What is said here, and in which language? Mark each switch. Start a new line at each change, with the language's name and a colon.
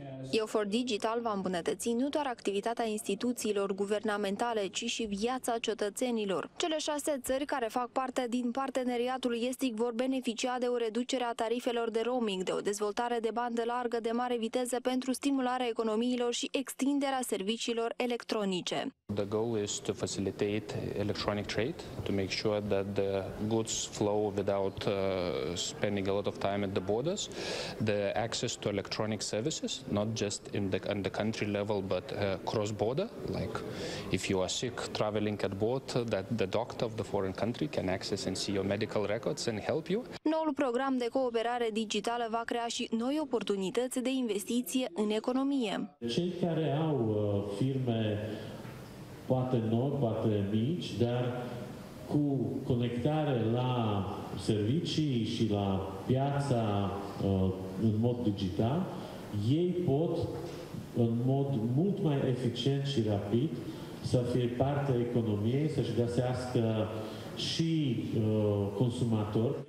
Romanian: EUFOR Digital va îmbunătăți nu doar activitatea instituțiilor guvernamentale, ci și viața cetățenilor. Cele 6 țări care fac parte din parteneriatul estic vor beneficia de o reducere a tarifelor de roaming, de o dezvoltare de bandă largă de mare viteză pentru stimularea economiilor și extinderea serviciilor electronice.
English: The goal is to facilitate electronic trade, to make sure that the goods flow without spending a lot of time at the borders, the access to electronic services, not just in the, on the country level, but cross-border, like if you are sick traveling at boat, that the doctor of the foreign country can access and see your medical records and help you.
Romanian: Noul program de cooperare digitală va crea și noi oportunități de investiție în economie. Cei care au firme, poate nori, poate mici, dar cu conectare la servicii și la piața în mod digital, ei pot în mod mult mai eficient și rapid să fie parte a economiei, să-și găsească și consumator.